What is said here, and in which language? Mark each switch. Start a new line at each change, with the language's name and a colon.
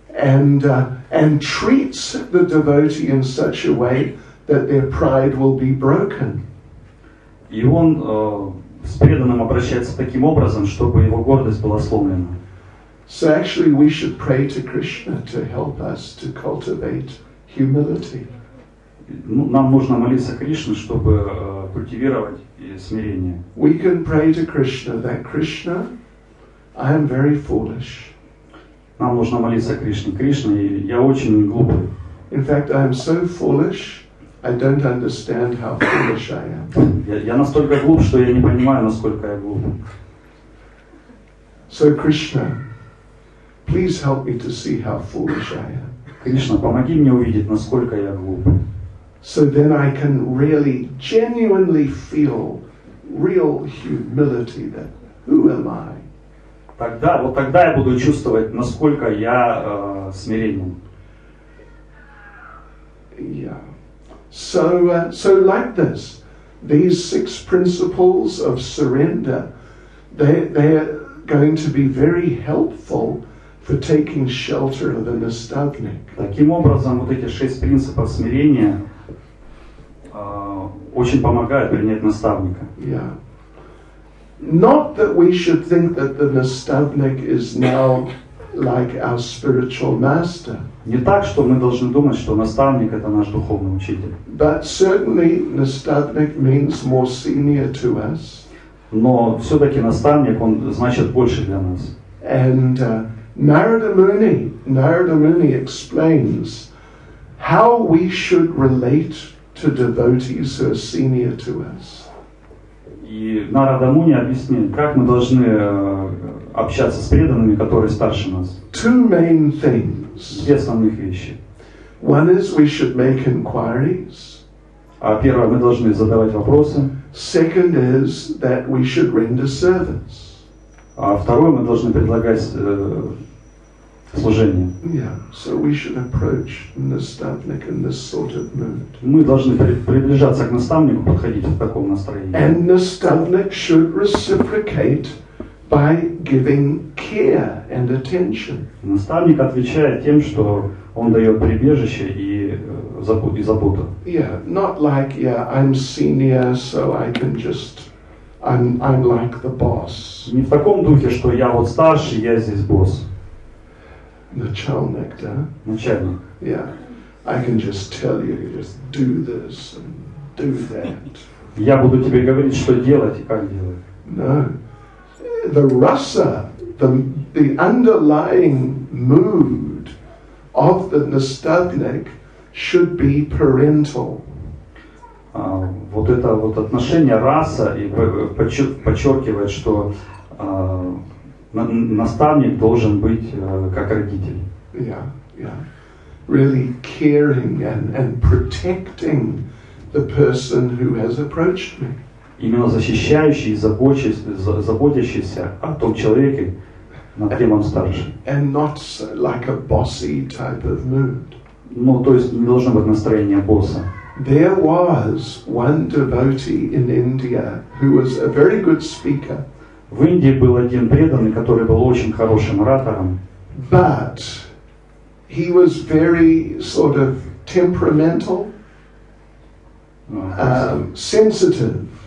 English: And treats the devotee in such a way that their pride will be broken.
Russian: И он с преданным обращается таким образом, чтобы его гордость была сломлена.
English: So actually we should pray to Krishna to help us to cultivate humility.
Russian: Нам нужно молиться Кришне, чтобы культивировать смирение.
English: We can pray to Krishna that Krishna, I am very foolish.
Russian: Нам нужно молиться Кришне. Кришна, я очень глупый.
English: In fact, I am so foolish, I don't understand how foolish I am.
Russian: Я настолько глуп, что я не понимаю, насколько я глуп.
English: So Krishna, please help me to see how foolish I am.
Russian: Кришна, помоги мне увидеть, насколько я глуп.
English: So then I can really genuinely feel real humility that who am I?
Russian: Тогда, вот тогда я буду чувствовать, насколько я смиренен.
English: Yeah. So like this, these six principles of surrender, they're going to be very helpful for taking shelter of the nastavnik.
Russian: Таким образом, вот эти шесть принципов смирения очень помогают принять наставника.
English: Yeah. Not that we should think that the nastavnik is now like our spiritual master.
Russian: Не так, что мы должны думать, что наставник это наш духовный учитель.
English: But certainly nastavnik means more senior to us.
Russian: Но все-таки наставник он значит больше для нас.
English: And Narada Muni explains how we should relate to devotees who are senior to us.
Russian: И Нарада Муни объяснил, как мы должны общаться с преданными, которые старше нас.
English: Two main things.
Russian: Две основных вещи.
English: One is we should make inquiries.
Russian: А первое, мы должны задавать вопросы.
English: Second is that we should render service.
Russian: А второе, мы должны предлагать служение.
English: Yeah, so we should approach наставник in this sort of mood.
Russian: Мы должны приближаться к наставнику, подходить в таком настроении.
English: And наставник should reciprocate by giving care and attention.
Russian: Наставник отвечает тем, что он дает прибежище и заботу.
English: Yeah, not like I'm senior, so I can just I'm like the boss.
Russian: Не в таком духе, что я вот старший, я здесь босс. Начальник, да? Начальник.
English: Yeah. I can just tell you, just do this and do that.
Russian: Я буду тебе говорить, что делать и как делать.
English: No. The rasa, the underlying mood of the nastavnik should be parental.
Russian: Вот это вот отношение раса и подчеркивает, что наставник должен быть как родитель.
English: Yeah, yeah. Really caring and protecting the person who has approached me.
Russian: Именно защищающий, заботящийся о том человеке, над кем он старше.
English: And not so, like a bossy type of mood.
Russian: Ну, то есть не должно быть настроение босса.
English: There was one devotee in India who was a very good speaker.
Russian: В Индии был один преданный, который был очень хорошим оратором.
English: But he was very sort of temperamental, sensitive.